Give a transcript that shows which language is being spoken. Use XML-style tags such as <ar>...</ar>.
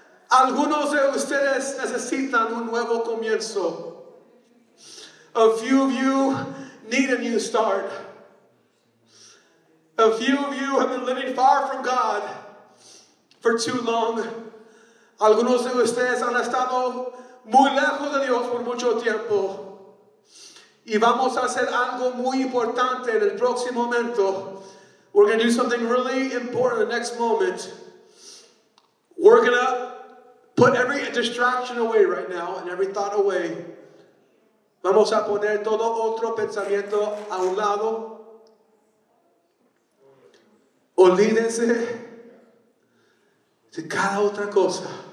<es>Algunos de ustedes necesitan un nuevo comienzo.</es> <en>A few of you need a new start. A few of you have been living far from God for too long.</en> <es>Algunos de ustedes han estado muy lejos de Dios por mucho tiempo. Y vamos a hacer algo muy importante en el próximo momento.</es> <en>We're going to do something really important in the next moment. We're going to put every distraction away right now and every thought away.</en> <es>Vamos a poner todo otro pensamiento a un lado. Olvídense de cada otra cosa.</es>